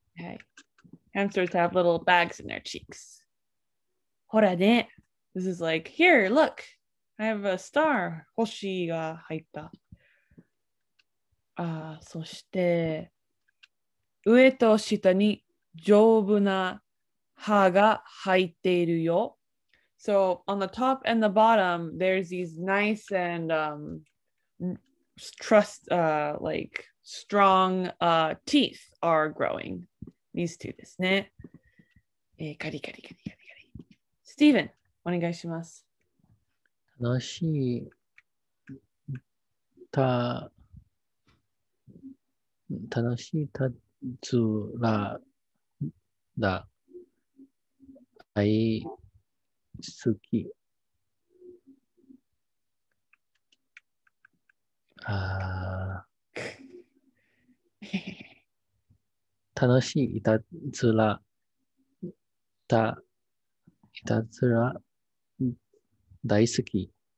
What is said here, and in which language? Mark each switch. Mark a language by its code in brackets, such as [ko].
[en] Hi. Hamsters have little bags in their cheeks. [ja] ほらね。 [en] This is like, here, look. I have a star. [ja] 星が入った。そして、上と下に丈夫な歯が入っているよ。 [en] So on the top and the bottom, there's these nice and strong teeth are growing. These two [ja] ですね。カリカリカリカリカリ。 [en] Steven, [ja] お願いします。楽しい。た楽しいたつらだ大好きあ楽しいたつらだいたつら大好き